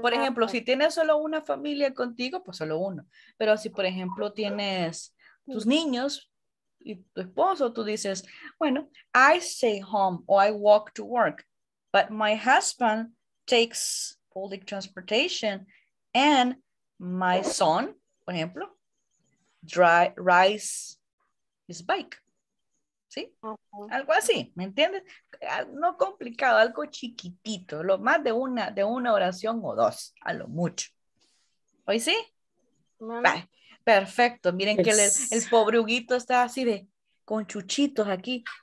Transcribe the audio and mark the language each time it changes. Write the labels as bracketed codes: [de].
[es] Por ejemplo, si tienes solo una familia contigo, pues solo uno. Pero si, por ejemplo, tienes tus niños y tu esposo, tú dices, bueno, [en] I stay home [es] o [en] I walk to work. But my husband takes public transportation and my son, [es] por ejemplo, [en] rides his bike. [es] ¿Sí? Uh-huh. Algo así, ¿me entiendes? No complicado, algo chiquitito, lo más de una oración o dos, a lo mucho. ¿Hoy sí? Uh-huh. Perfecto, miren que el pobre Huguito está así de con chuchitos aquí.